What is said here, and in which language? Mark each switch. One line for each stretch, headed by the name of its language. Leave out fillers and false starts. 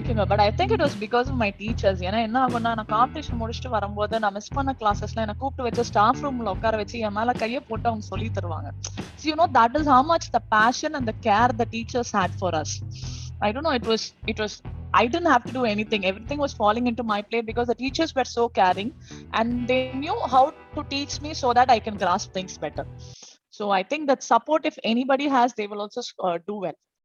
English: But I think it was because of my teachers.
Tamil: ஏனா என்ன ஆகும், நான் காம்படிஷன் முடிச்சுட்டு வரும்போது நான் மிஸ் பண்ண கிளாஸஸ்ல என்ன கூப்பிட்டு வச்சு ஸ்டாஃப் ரூம்ல உட்கார வச்சு என் மேல கையை போட்டு அவங்க சொல்லி தருவாங்க.
English: So you know that is how much the passion and the care the teachers had for us. I don't know, it was I didn't have to do anything, everything was falling into my plate because the teachers were so caring and they knew how to teach me so that I can grasp things better. So I think that support if anybody has, they will also do well.